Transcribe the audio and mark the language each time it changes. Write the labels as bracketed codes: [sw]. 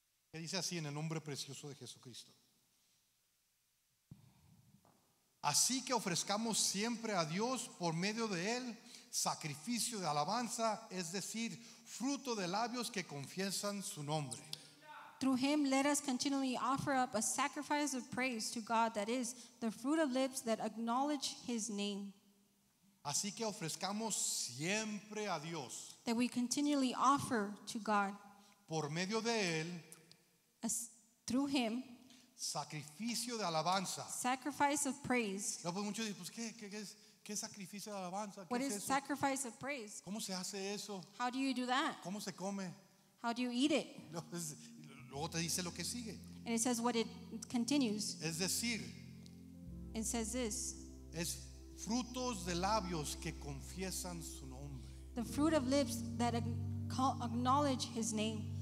[es] Que dice así en el nombre precioso de Jesucristo. Así que ofrezcamos siempre a Dios por medio de Él sacrificio de alabanza, es decir, fruto de labios que confiesan su nombre. [en] Through Him, let us continually offer up a sacrifice of praise to God, that is, the fruit of lips that acknowledge His name. [es] Así que ofrezcamos siempre a Dios. [en] That we continually offer to God. [es] Por medio de Él. [en] Through Him. [es] Sacrificio de alabanza. [en] Sacrifice of praise. [es] No, pues muchos dicen, pues ¿qué sacrificio de alabanza? ¿Qué [en] What [es] es [en] is [es] eso? [en] Sacrifice of praise? [es] ¿Cómo se hace eso? [en] How do you do that? [es] ¿Cómo se come? [en] How do you eat it? [es] No, pues, luego te dice lo que sigue. [en] And it says what it continues. [es] Es decir. [en] It says this. [es] Es frutos de labios que confiesan su nombre. [en] The fruit of lips that acknowledge His name.